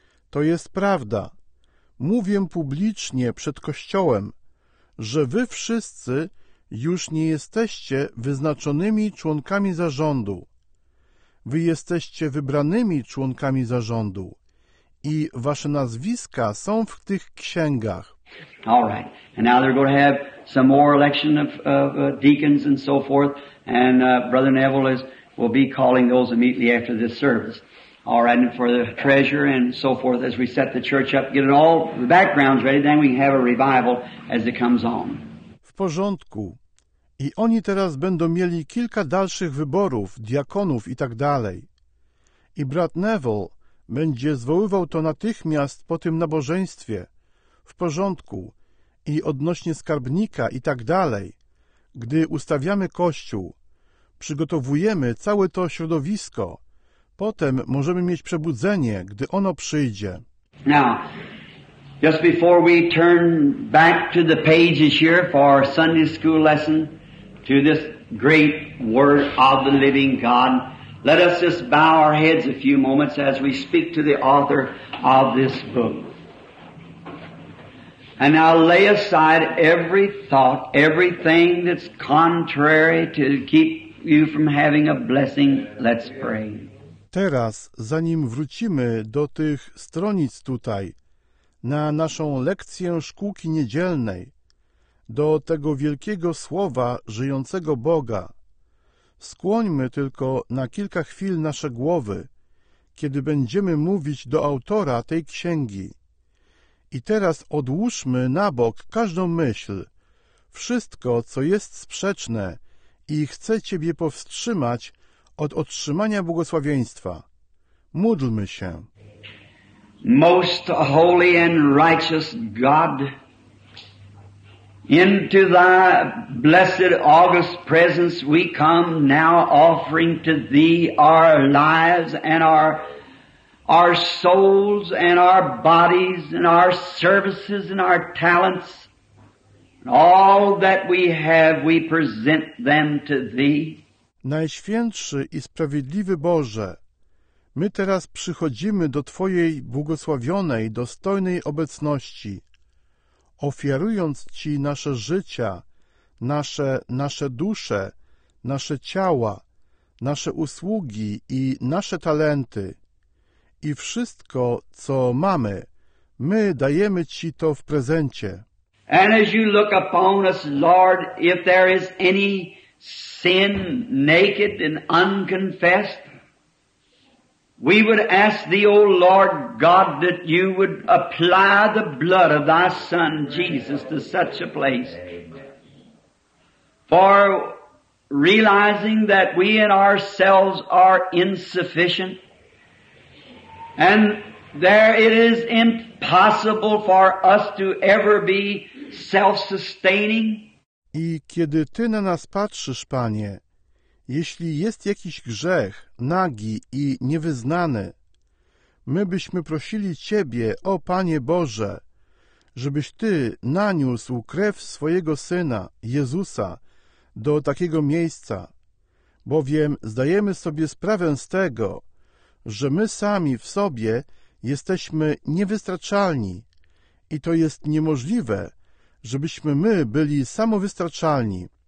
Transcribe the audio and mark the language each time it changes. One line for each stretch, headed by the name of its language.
Polish: To jest prawda. Mówię publicznie przed Kościołem, że wy wszyscy już nie jesteście wyznaczonymi członkami zarządu. Wy jesteście wybranymi członkami zarządu i wasze nazwiska są w tych księgach.
English: All right. And now they're going to have some more election of deacons and so forth. And Brother Neville will be calling those immediately after this service. All right, and for the treasurer and so forth as we set the church up, get it all the backgrounds ready, then we can have a revival as it comes on.
Polish: W porządku. I oni teraz będą mieli kilka dalszych wyborów, diakonów i tak dalej. I brat Neville będzie zwoływał to natychmiast po tym nabożeństwie. W porządku. I odnośnie skarbnika i tak dalej. Gdy ustawiamy kościół, przygotowujemy całe to środowisko. Potem możemy mieć przebudzenie, gdy ono przyjdzie.
English: Now, just before we turn back to the pages here for our Sunday school lesson, to this great word of the living God, let us just bow our heads a few moments as we speak to the author of this book. And now lay aside every thought, everything that's contrary to keep you from having a blessing. Let's pray.
Polish: Teraz, zanim wrócimy do tych stronic tutaj, na naszą lekcję szkółki niedzielnej, do tego wielkiego słowa żyjącego Boga, skłońmy tylko na kilka chwil nasze głowy, kiedy będziemy mówić do autora tej księgi. I teraz odłóżmy na bok każdą myśl, wszystko, co jest sprzeczne i chce ciebie powstrzymać od otrzymania błogosławieństwa. Módlmy się.
English: Most holy and righteous God, into thy blessed august presence we come now offering to thee our lives and our souls and our bodies and our services and our talents, and all that we have, we present them to Thee.
Polish: Najświętszy i sprawiedliwy Boże, my teraz przychodzimy do Twojej błogosławionej, dostojnej obecności, ofiarując Ci nasze życia, nasze dusze, nasze ciała, nasze usługi i nasze talenty. i wszystko, co mamy, my dajemy Ci to w prezencie.
English: And as you look upon us, Lord, if there is any sin naked and unconfessed, we would ask Thee, O Lord God, that You would apply the blood of Thy Son Jesus to such a place. For realizing that we in ourselves are insufficient, and there it is impossible for us to ever be self-sustaining.
Polish: I kiedy Ty na nas patrzysz, Panie, jeśli jest jakiś grzech, nagi i niewyznany, my byśmy prosili Ciebie, o Panie Boże, żebyś Ty naniósł krew swojego Syna, Jezusa, do takiego miejsca, bowiem zdajemy sobie sprawę z tego, że my sami w sobie jesteśmy niewystarczalni i to jest niemożliwe, żebyśmy my byli samowystarczalni.